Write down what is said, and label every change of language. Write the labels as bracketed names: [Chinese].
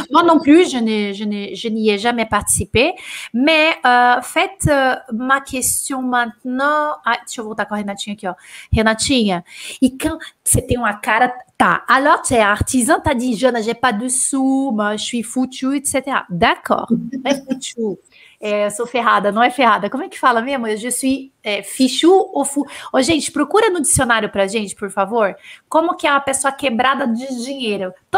[French] Moi non plus, je n'y ai jamais participé. Mais faites ma question maintenant. [Portuguese] Ah, deixa eu voltar com a Renatinha aqui, ó. Renatinha, e quand você tem uma cara... [French] Tá, alors tu es artisan, t'as dit, Jana, j'ai pas de sous, moi, je suis foutue, etc. D'accord, mais foutue. [Portuguese] Sou ferrada, não é ferrada. Como é que fala mesmo? [French] Je suis fichu ou fu... [Portuguese] Oh, gente, procura no dicionário pra gente, por favor. Como que é uma pessoa quebrada de dinheiro?